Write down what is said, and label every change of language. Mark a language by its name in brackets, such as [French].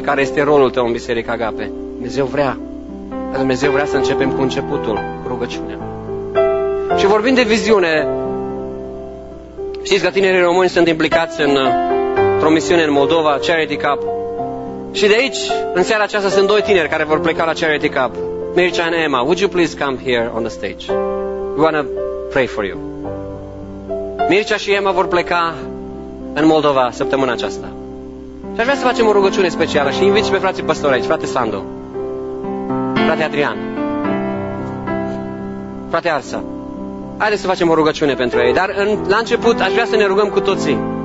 [Romanian] Care este rolul tău în Biserica Agape? Dumnezeu vrea. Dar Dumnezeu vrea să începem cu începutul, cu rugăciunea. Și vorbind de viziune, știți că tinerii români sunt implicați într-o misiune în Moldova, Charity Cup. Și de aici, în seara aceasta, sunt doi tineri care vor pleca la Charity Cup. [English] Mircea and Emma, would you please come here on the stage? We want to pray for you. [Romanian] Mircea și Emma vor pleca în Moldova săptămâna aceasta. Și aș vrea să facem o rugăciune specială și invit și pe frații păstori aici, frate Sandu, frate Adrian, frate Arsa. Haideți să facem o rugăciune pentru ei. Dar la început aș vrea să ne rugăm cu toții.